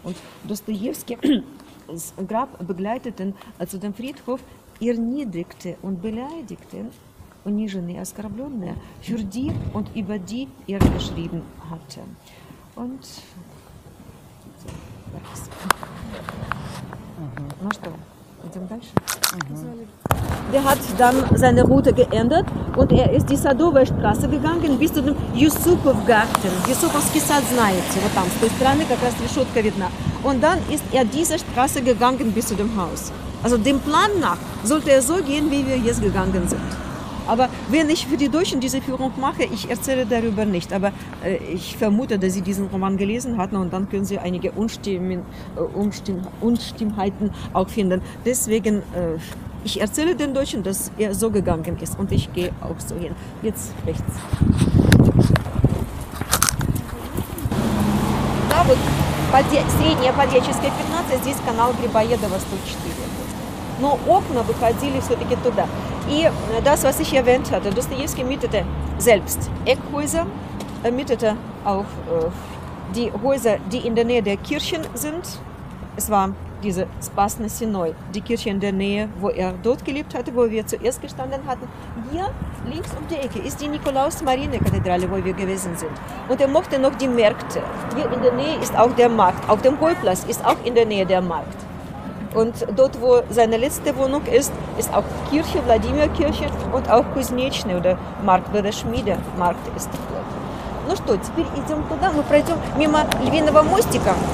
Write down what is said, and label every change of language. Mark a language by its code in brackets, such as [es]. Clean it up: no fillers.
[de] Und Dostojewskis Grab begleiteten zu dem Friedhof erniedrigte und beleidigte, [ru] униженные, оскорбленные, [de] für die und über die er geschrieben hatte. Und Paris. [ru] Mhm. Na что, идем дальше? [de] Der hat dann seine Route geändert und er ist die Садовая Straße gegangen bis zu dem Юсупов Garten. [ru] Юсуповский сад, знаете, вот там, с той стороны как раз решетка видна. [de] Und dann ist er diese Straße gegangen bis zu dem Haus. Also dem Plan nach sollte er so gehen, wie wir jetzt gegangen sind. Aber wenn ich für die Deutschen diese Führung mache, ich erzähle darüber nicht. Aber ich vermute, dass Sie diesen Roman gelesen hatten und dann können Sie einige Unstimmheiten auch finden. Deswegen, ich erzähle den Deutschen, dass er so gegangen ist und ich gehe auch so hin. Jetzt rechts. Da wird [ru] Средняя Подьяческая 15, здесь канал Грибоедова 104. Но окна выходили все-таки туда. [de] И das, was ich erwähnt hatte, Достоевский mietete selbst Eckhäuser, mietete auch die Häuser, die in der Nähe der Kirchen sind. Es war diese Spassnesinoi, die Kirche in der Nähe, wo er dort gelebt hatte, wo wir zuerst gestanden hatten. Hier links um die Ecke ist die Nikolaus-Marien-Kathedrale, wo wir gewesen sind. Und er mochte noch die Märkte. Hier in der Nähe ist auch der Markt. Auf dem Hohlplatz ist auch in der Nähe der Markt. Und dort, wo seine letzte Wohnung ist, ist auch Kirche, Wladimir-Kirche und auch Kuznetschne oder Markt, wo der Schmiedemarkt ist. [ru] Ну что, теперь идем туда. Мы пройдем мимо Львиного мостика.